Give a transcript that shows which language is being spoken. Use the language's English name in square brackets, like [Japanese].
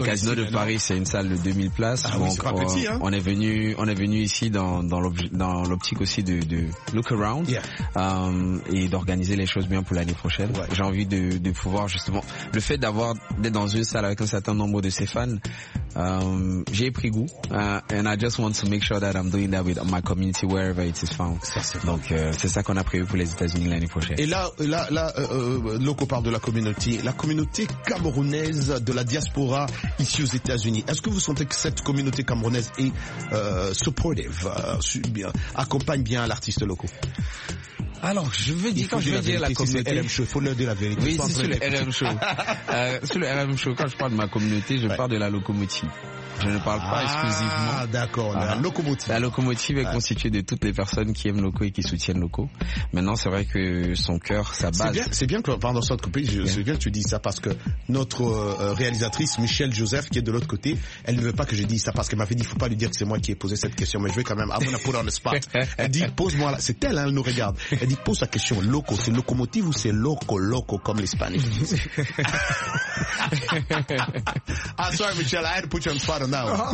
[French] le Casino de Paris, c'est une salle de 2000 places. Ah, donc, oui, c'est pas petit, hein. On est venu ici dans l'optique aussi de look around. [English] Yeah. [French] Et d'organiser les choses bien pour l'année prochaine. Ouais. J'ai envie de pouvoir justement le fait d'être dans une salle avec un certain nombre de ses fans. J'ai pris goût. [English] And I just want to make sure that I'm doing that with my community wherever it is found. [French] C'est ça qu'on a prévu pour les États-Unis l'année prochaine. Et Loco parle de la communauté camerounaise de la diaspora ici aux États-Unis. Est-ce que vous sentez que cette communauté camerounaise est supportive, bien accompagne bien l'artiste Loco? Alors, je veux dire, quand je veux dire la communauté. C'est le RM Show, faut leur dire la vérité. Oui, c'est sur le RM Show. Sur le RM Show, quand je parle de ma communauté, je parle de la locomotive. Je ne parle pas exclusivement. Ah, d'accord. La locomotive. La locomotive est constituée de toutes les personnes qui aiment Loco et qui soutiennent Loco. Maintenant, c'est vrai que son cœur, sa base. C'est bien que tu dises ça parce que notre réalisatrice, Michelle Joseph, qui est de l'autre côté, elle ne veut pas que je dise ça parce qu'elle m'avait dit, il ne faut pas lui dire que c'est moi qui ai posé cette question, mais je vais quand même, [English] I'm gonna put on the spot. [French] Elle dit, pose-moi là. C'est elle, hein, elle nous regarde. Elle dit, pose la question, Loco, c'est locomotive ou c'est loco, comme l'espagnol? [English] I'm sorry, Michelle, I had to put you on the spot.